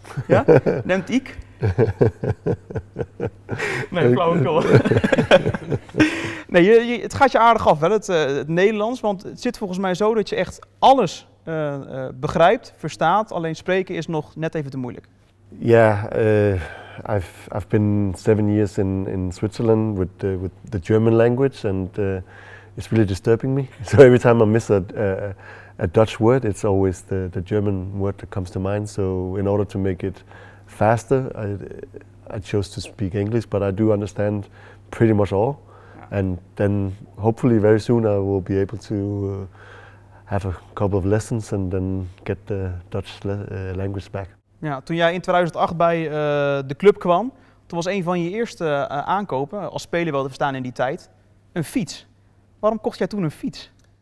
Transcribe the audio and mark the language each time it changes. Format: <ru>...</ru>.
<nl>Ja? Neemt ik? Nee, flauwekul. Nee, het gaat je aardig af, wel, het Nederlands. Want het zit volgens mij zo dat je echt alles begrijpt, verstaat. Alleen spreken is nog net even te moeilijk.</nl> <en>Ja, yeah, I've been 7 years in Switzerland with the German language. And it's really disturbing me. So every time I miss a Dutch word, it's always the German word that comes to mind. So in order to make it faster, I chose to speak English, but I do understand pretty much all. And then hopefully very soon I will be able to have a couple of lessons and then get the Dutch language back.</en> <nl>Ja, toen jij in 2008 bij de club kwam, toen was een van je eerste aankopen, als speler wel te verstaan in die tijd, een fiets. Waarom kocht jij toen een fiets?</nl>